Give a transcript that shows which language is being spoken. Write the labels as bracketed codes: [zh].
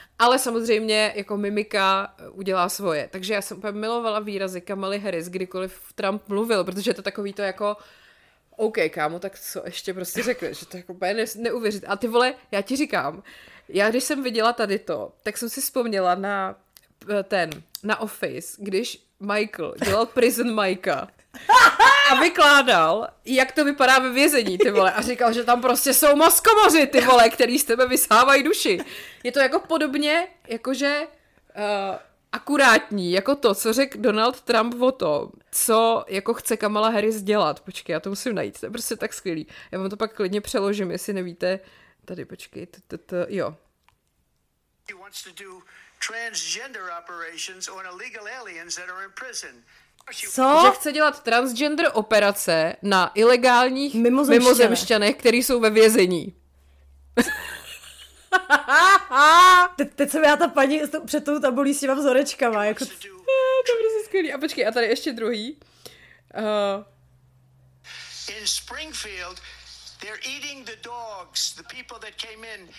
[cs] Ale samozřejmě jako mimika udělá svoje. Takže já jsem úplně milovala výrazy Kamaly Harris, kdykoliv Trump mluvil, protože to takový to jako OK, kámo, tak co ještě prostě řekne, že to je jako úplně neuvěřitelné. A ty vole, já ti říkám, já když jsem viděla tady to, tak jsem si vzpomněla na ten, na Office, když Michael dělal Prison Mike'a a vykládal, jak to vypadá ve vězení, ty vole, a říkal, že tam prostě jsou maskomoři, ty vole, který z tebe vysávají duši. Je to jako podobně, jakože akurátní, jako to, co řekl Donald Trump o tom, co jako chce Kamala Harris dělat. Počkej, já to musím najít, to je prostě tak skvělý. Já vám to pak klidně přeložím, jestli nevíte. Tady, počkej, jo. [en] He wants to do transgender operations on illegal aliens that are in prison. [cs] Co? Že chce dělat transgender operace na ilegálních mimozemšťanech, který jsou ve vězení. Teď jsem já ta paní před tou tabulí s těma vzorečkama. Jako... To je prostě skvělý. A počkej, a tady ještě druhý. [en] In Springfield... They're eating the dogs, the people that came in.